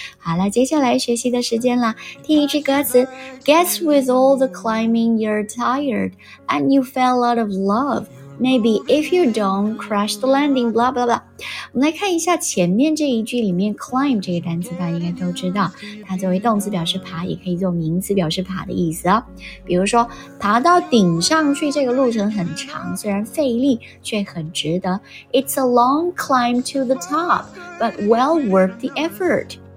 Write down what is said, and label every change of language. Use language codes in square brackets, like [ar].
[zh] 好了，接下来学习的时间了，听一句歌词。 [en] Guess with all the climbing you're tired and you fell out of love， maybe if you don't crash the landing blah blah blah。 [zh] 我们来看一下前面这一句里面 climb 这个单词，大家应该都知道它作为动词表示爬，也可以做名词表示爬的意思哦。比如说爬到顶上去这个路程很长，虽然费力却很值得。 [en] It's a long climb to the top but well worth the effort。